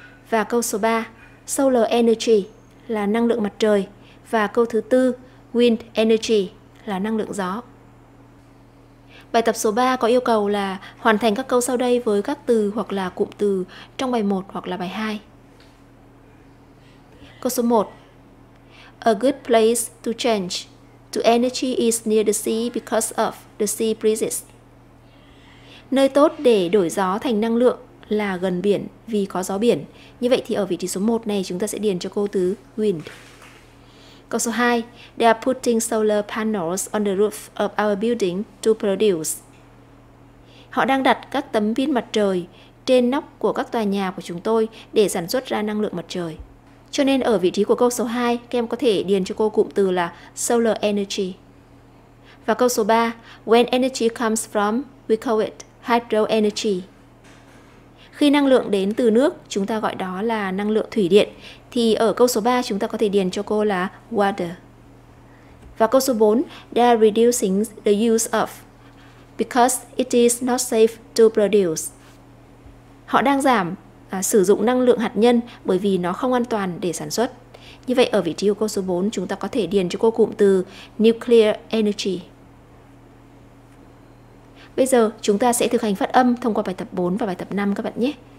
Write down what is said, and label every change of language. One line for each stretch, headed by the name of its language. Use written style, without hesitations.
Vietnamese: Và câu số 3, solar energy, là năng lượng mặt trời. Và câu thứ 4, wind energy, là năng lượng gió. Bài tập số 3 có yêu cầu là hoàn thành các câu sau đây với các từ hoặc là cụm từ trong bài 1 hoặc là bài 2. Câu số 1.
English: A good place to change to energy is near the sea because of the sea breezes.
Vietnamese: Nơi tốt để đổi gió thành năng lượng là gần biển vì có gió biển. Như vậy thì ở vị trí số 1 này chúng ta sẽ điền cho cô từ wind. Câu số 2,
English: they are putting solar panels on the roof of our building to produce.
Vietnamese: Họ đang đặt các tấm pin mặt trời trên nóc của các tòa nhà của chúng tôi để sản xuất ra năng lượng mặt trời. Cho nên ở vị trí của câu số 2, các em có thể điền cho cô cụm từ là solar energy. Và câu số 3,
English: when energy comes from, we call it hydro energy.
Vietnamese: Khi năng lượng đến từ nước, chúng ta gọi đó là năng lượng thủy điện. Thì ở câu số 3, chúng ta có thể điền cho cô là water. Và câu số 4,
English: they are reducing the use of, because it is not safe to produce.
Vietnamese: Họ đang giảm sử dụng năng lượng hạt nhân bởi vì nó không an toàn để sản xuất. Như vậy, ở vị trí của câu số 4, chúng ta có thể điền cho cô cụm từ nuclear energy. Bây giờ, chúng ta sẽ thực hành phát âm thông qua bài tập 4 và bài tập 5 các bạn nhé.